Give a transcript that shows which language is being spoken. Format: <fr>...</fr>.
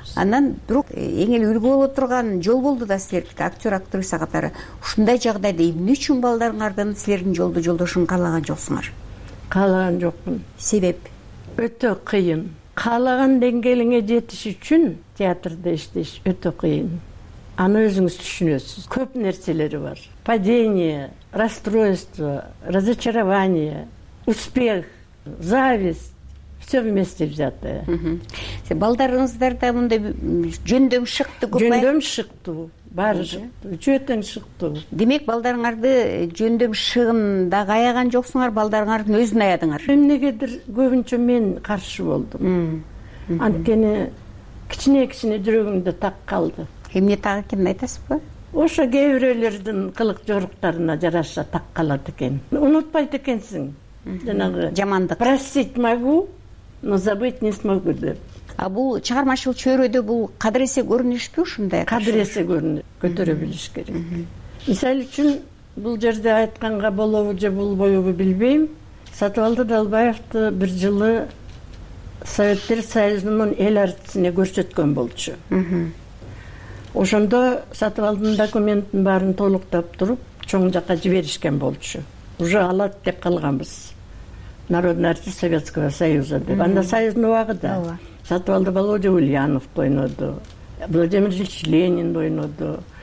<ky>Анан вдруг эң эле үлгү боло турган жол болду да силердики актер, актриса катары. Ушундай жагдайда эмне үчүн балдарыңардын силердин жолду жолдошун каалаган жоксуңар? Каалаган жокмун. Себеп? Өтө кыйын. Каалаган деңгээлиңе жетиш үчүн театрда иштеш өтө кыйын. Аны өзүңүз түшүнөсүз. Көп нерселери бар.</ky> <ru>Падение, расстройство, разочарование, успех, зависть. Все вместе взятое.</ru> <ky>Сен балдарыңыздарда мындай жөндөм шыкты көп. Жөндөм шыкты. Бары шыкты. Жөтөн шыкты. Демек балдарыңарды жөндөм шыгында аяган жоксуңар, балдарыңардын өзүн аядыңар. Эмнегедир көбүнчө мен каршы болдум. Анткени кичине-кичине жүрөгүмдө так калды. Эмне так экенин айтасызбы? Ошо кээ бирөөлөрдүн кылык жоруктарына жараша так калат экен. Унутпайт экенсиң. Жанагы жамандык.</ky> <ru>Простить могу, но забыть не смогу деп.</ru> <ky>А бул чыгармачыл чөйрөдө бул кадыресе көрүнүштү ушундай. Кадыресе көрүнү, көтөрө билиш керек. Мисалы үчүн бул жерде айтканга болобу же болбойбу билбейм. Сатыбалды Далбаевди бир жылы Советтер Союзунун эл артистине көрсөткөн болчу. Ошондо Сатыбалдын документин баарын толуктап туруп, чоң жака жиберишкен болчу. Уже алат деп калганбыз.</ky> <ru>Народный артист Советского Союза деп.</ru> <ky>Анда Союз убагы да. Сатыбалды Володя Ульяновду ойноду. Владимир Ильич Ленинди ойноду.</ky>